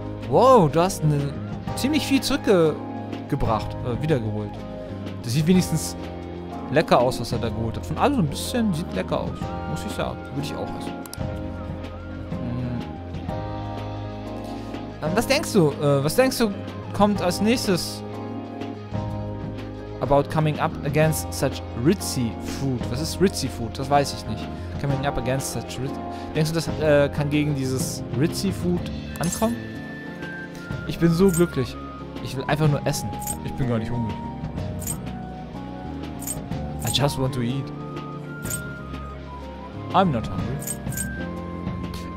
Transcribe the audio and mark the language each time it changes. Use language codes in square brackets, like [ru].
[de] Wow, du hast ziemlich viel zurückgebracht, wiedergeholt. Das sieht wenigstens lecker aus, was er da geholt hat. Von allem so ein bisschen sieht lecker aus, muss ich sagen. Würde ich auch essen. Was denkst du? Was denkst du kommt als nächstes? [en] About coming up against such ritzy food. [de] Was ist ritzy food? Das weiß ich nicht. [en] Coming up against such ritzy... [de] Denkst du, das kann gegen dieses ritzy food ankommen? Ich bin so glücklich. Ich will einfach nur essen. Ich bin gar nicht hungrig. [en] I just want to eat. I'm not hungry.